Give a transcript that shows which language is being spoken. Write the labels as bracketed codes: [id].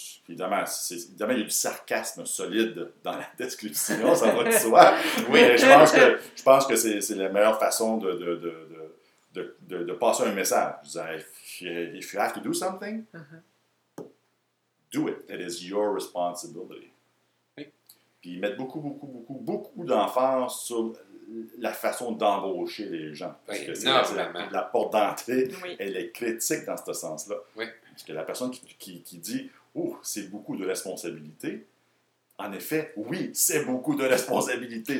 [fr] Évidemment, il y a du sarcasme solide dans la description, ça va de soi. Oui, je pense que c'est la meilleure façon de passer un message. Je disais, [en] if you have to do something, do it. It is your responsibility. [fr] Puis ils mettent beaucoup d'emphase sur la façon d'embaucher les gens. Parce que la porte d'entrée, elle est critique dans ce sens-là. Oui. Parce que la personne qui dit « Oh, c'est beaucoup de responsabilité », en effet, oui, c'est beaucoup de responsabilité.